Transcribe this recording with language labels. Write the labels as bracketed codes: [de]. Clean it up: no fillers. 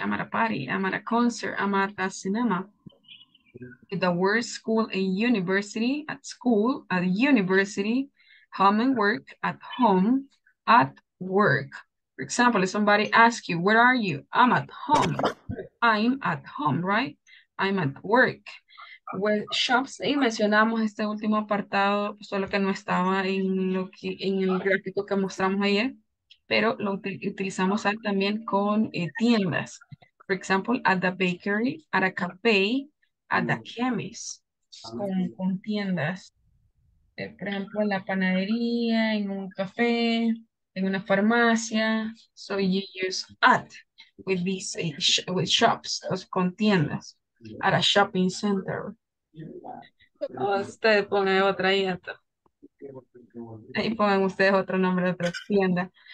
[en] I'm at a party, I'm at a concert, I'm at a cinema. The word school and university, at school, at university, home and work, at home, at work. For example, if somebody asks you, where are you? I'm at home. I'm at home, right? I'm at work. [es] Well, shops, y mencionamos este último apartado, solo que no estaba en, lo que, en el gráfico que mostramos ayer, pero lo utilizamos también con tiendas. [en] For example, at the bakery, at a cafe, at the chemist, [es] con tiendas. Por ejemplo, en la panadería, en un café, en una farmacia. [en] So you use at with these with shops, [es] con tiendas, [en] at a shopping center. [es] Ustedes ponen otra y otra. Ahí ponen ustedes otro nombre de otra tienda.